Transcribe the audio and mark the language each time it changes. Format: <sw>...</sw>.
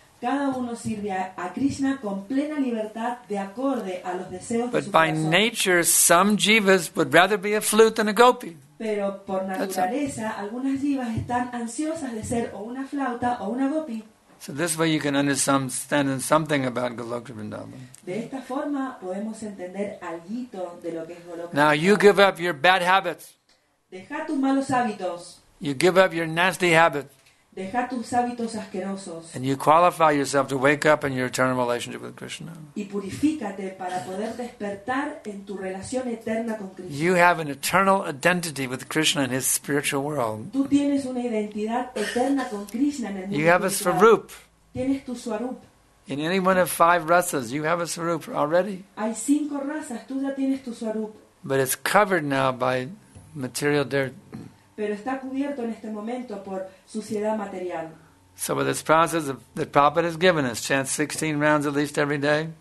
<es>Cada uno sirve a Krishna con plena libertad de acorde a los deseos de su corazón.</es> <en>But by nature, some jivas would rather be a flute than a gopi.</en> <es>Pero por naturaleza, algunas jivas están ansiosas de ser o una flauta o una gopi.</es> <en>So this way you can understand something about Goloka Vrindavan.</en> <es>De esta forma podemos entender algo de lo que es Goloka Vrindavan.</es> <en>Now you give up your bad habits.</en> <es>Deja tus malos hábitos.</es> <en>You give up your nasty habits.</en> <es>Deja tus hábitos asquerosos.</es> <en>And you qualify yourself to wake up in your eternal relationship with Krishna.</en> <es>Y purifícate para poder despertar en tu relación eterna con Krishna.</es> <en>You have an eternal identity with Krishna in his spiritual world.</en> <es>Tú tienes una identidad eterna con Krishna en el mundo.</es> <en>You have a swarup.</en> <es>Tienes tu swarup.</es> <en>In any one of five rasas, you have a swarup already.</en> <es>Hay cinco razas, tú ya tienes tu swarup.</es> <en>But it's covered now by material dirt.</en> <es>Pero está cubierto en este momento por suciedad material.</es> <en>So with this process that Prabhupada has given us, chant 16 rounds at least every day.</en>